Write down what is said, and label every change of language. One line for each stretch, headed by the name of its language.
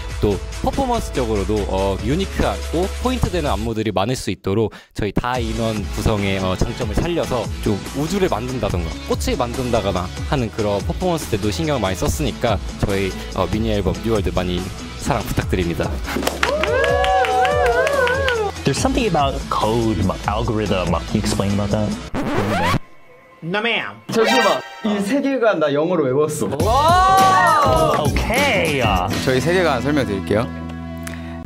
Korean: 또 퍼포먼스적으로도 유니크하고 포인트되는 안무들이 많을 수 있도록 저희 다인원 구성의 장점을 살려서 좀 우주를 만든다던가 꽃을 만든다거나 하는 그런 퍼포먼스 때도 신경을 많이 썼으니까 저희 미니 앨범 뉴 월드 많이 사랑 부탁드립니다.
English: There's something about code, algorithm, can you explain about that? No ma'am!
Korean: 잠시만! 이 세계관 나 영어로 외웠어. 와!
English: Okay!
Korean: 저희 세계관 설명드릴게요.